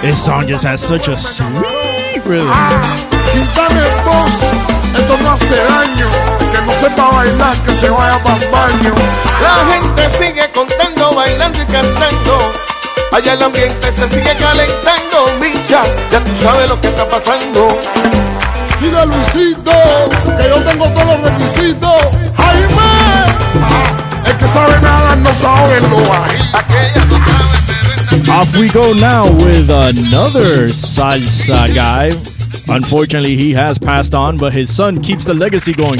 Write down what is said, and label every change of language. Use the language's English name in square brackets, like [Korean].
[English] This song just has such a sweet rhythm. [Spanish] Ah, Quintana el Boss, esto no hace daño, que no sepa bailar, que se vaya pa'l baño. La gente sigue contando, bailando y cantando. Allá el ambiente se sigue calentando, Micha, ya tú sabes lo que está pasando. y de Luisito, que yo tengo todos los requisitos. Jaime, el que sabe nada no sabe lo ahí. [English] Off we go now with another salsa guy. Unfortunately, he has passed on, but his son keeps the legacy going.